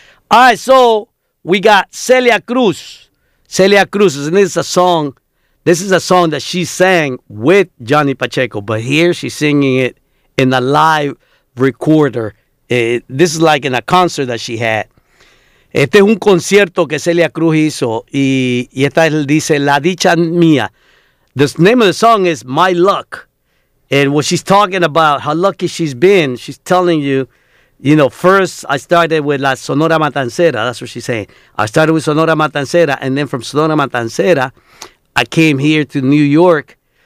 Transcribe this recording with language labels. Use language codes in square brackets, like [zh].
[en] All right, so we got Celia Cruz. Celia Cruz. And this is a song. This is a song that she sang with Johnny Pacheco. But here she's singing it in a live recorder. This is like in a concert that she had. [es] Este es un concierto que Celia Cruz hizo. Y esta dice, La Dicha Mía. [en] The name of the song is My Luck. And what she's talking about, how lucky she's been. She's telling you, you know, first I started with La Sonora Matancera. That's what she's saying. I started with Sonora Matancera. And then from Sonora Matancera, I came here to New York.